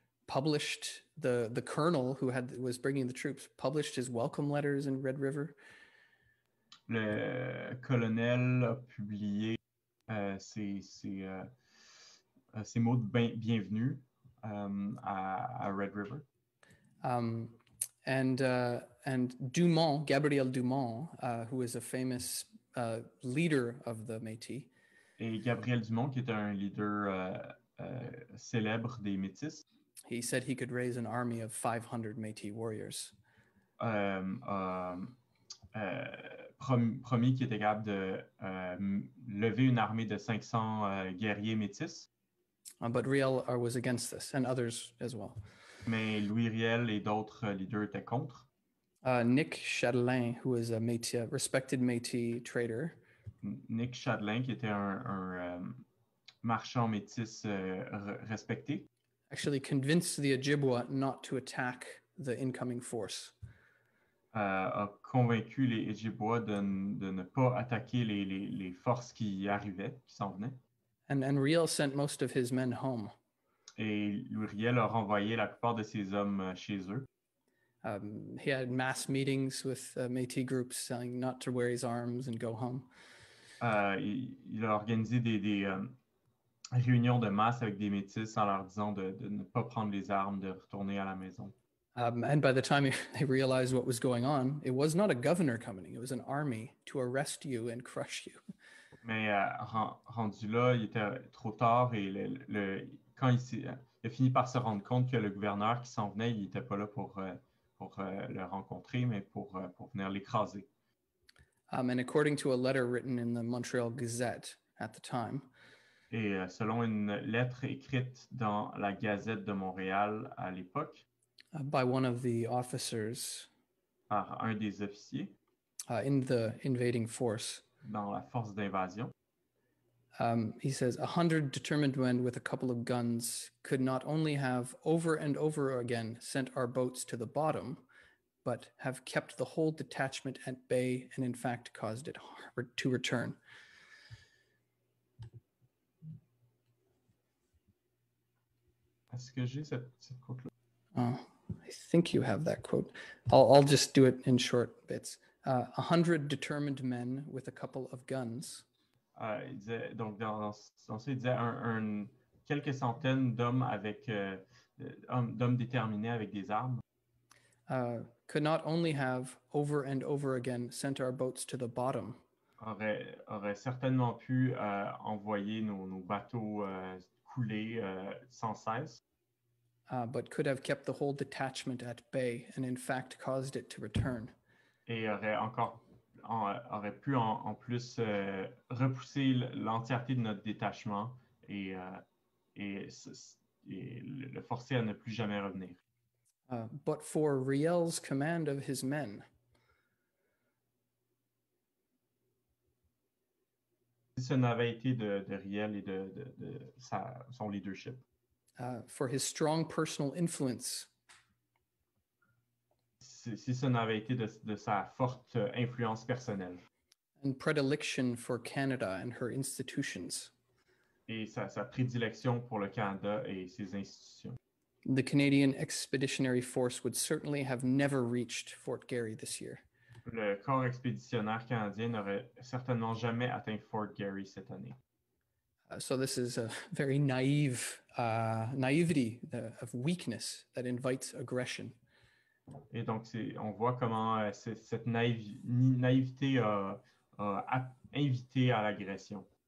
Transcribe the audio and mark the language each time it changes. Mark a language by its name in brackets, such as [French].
[English] Published the colonel who was bringing the troops published his welcome letters in Red River. [French] Le colonel a publié ses mots de bienvenue à Red River. [English] And Dumont, Gabriel Dumont, who is a famous leader of the Métis. [French] Et Gabriel Dumont, qui était un leader célèbre des Métis. [English] He said he could raise an army of 500 Métis warriors. [French] Promis qu'il était capable de lever une armée de 500 guerriers Métis. [English] But Riel was against this, and others as well. [French] Mais Louis Riel et d'autres leaders étaient contre. [English] Nick Chatelain, who is a Métis, a respected Métis trader. [French] Nick Chatelain, qui était un marchand Métis respecté. [English] Actually convinced the Ojibwa not to attack the incoming force. [French] A convaincu les Ojibwa de ne pas attaquer les forces qui arrivaient, qui s'en venaient. [English] And Riel sent most of his men home. [French] Et Riel a renvoyé la plupart de ses hommes chez eux. [English] He had mass meetings with Métis groups saying not to wear his arms and go home. [French] Il a organisé réunion de masse avec des Métis en leur disant de ne pas prendre les armes, de retourner à la maison. [English] And by the time they realized what was going on, it was not a governor coming, it was an army to arrest you and crush you. [French] Mais rendu là, il était trop tard et quand il a fini par se rendre compte que le gouverneur qui s'en venait, il n'était pas là pour le rencontrer, mais pour venir l'écraser. [English] And according to a letter written in the Montreal Gazette at the time, [French] et selon une lettre écrite dans la Gazette de Montréal à l'époque, [English] by one of the officers, [French] par un des officiers, [English] In the invading force. [French] Dans la force d'invasion. [English] He says, 100 determined men with a couple of guns could not only have over and over again sent our boats to the bottom, but have kept the whole detachment at bay and in fact caused it to return. [French] Est-ce que j'ai cette quote-là? [English] I think you have that quote. I'll just do it in short bits. 100 determined men with a couple of guns. [French] Il disait, donc dans ce, il disait quelques centaines d'hommes avec d'hommes déterminés avec des armes. [English] Could not only have over and over again sent our boats to the bottom. [French] Aurait certainement pu envoyer nos bateaux couler sans cesse. [English] But could have kept the whole detachment at bay and in fact caused it to return. [French] Et aurait pu en plus repousser l'entièreté de notre détachement et le forcer à ne plus jamais revenir. [English] But for Riel's command of his men. [French] Si ce n'avait été de Riel et de son leadership. [English] For his strong personal influence. [French] Si ce n'avait été de sa forte influence personnelle. [English] And predilection for Canada and her institutions. [French] Et sa prédilection pour le Canada et ses institutions. [English] The Canadian Expeditionary Force would certainly have never reached Fort Garry this year. [French] Le corps expéditionnaire canadien n'aurait certainement jamais atteint Fort Garry cette année. [English] So this is a very naive naivety of weakness that invites aggression. [French] Et donc on voit comment cette naïveté a invité à l'agression.